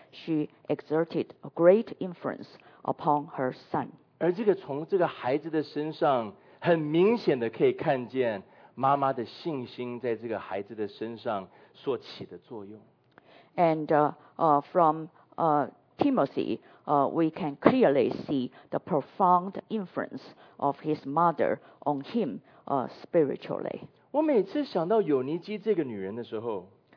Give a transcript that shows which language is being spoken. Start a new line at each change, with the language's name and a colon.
English: She exerted a great influence upon her son.
Chinese: 而这个从这个孩子的身上，很明显的可以看见妈妈的信心在这个孩子的身上所起的作用。
English: And from Timothy, we can clearly see the profound influence of his mother on him spiritually.
Chinese: 我每次想到有尼基这个女人的时候，